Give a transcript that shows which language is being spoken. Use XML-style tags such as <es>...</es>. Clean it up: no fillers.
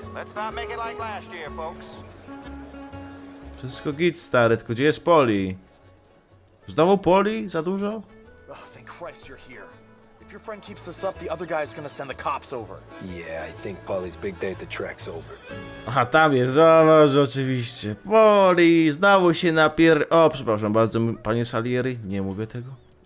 <en>Let's not make it like last year, folks.</en> <pl>Wszystko git, stary, tylko gdzie jest Poli? Znowu Poli? Za dużo?</pl> <en>Oh, thank Christ you're here. If your friend keeps this up, the other guy's gonna send the cops over. Yeah, I think Polly's big day at the track's over.</en> <pl>Aha, tam jest, zauważ, oczywiście. Poli, znowu się napier... O, przepraszam bardzo, panie Salieri, nie mówię tego.</pl>